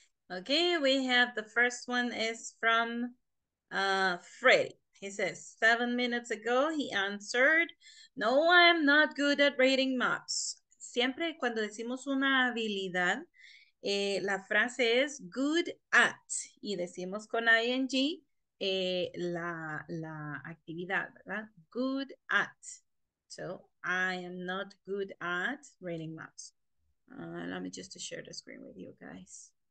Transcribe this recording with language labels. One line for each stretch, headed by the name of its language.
English: Okay, we have the first one is from Freddy. He says, 7 minutes ago, he answered, no, I'm not good at reading maps.
Spanish: Siempre cuando decimos una habilidad, la frase es good at, y decimos con ing la actividad, ¿verdad?
English: Good at. So, I am not good at reading maps. Let me just share the screen with you guys.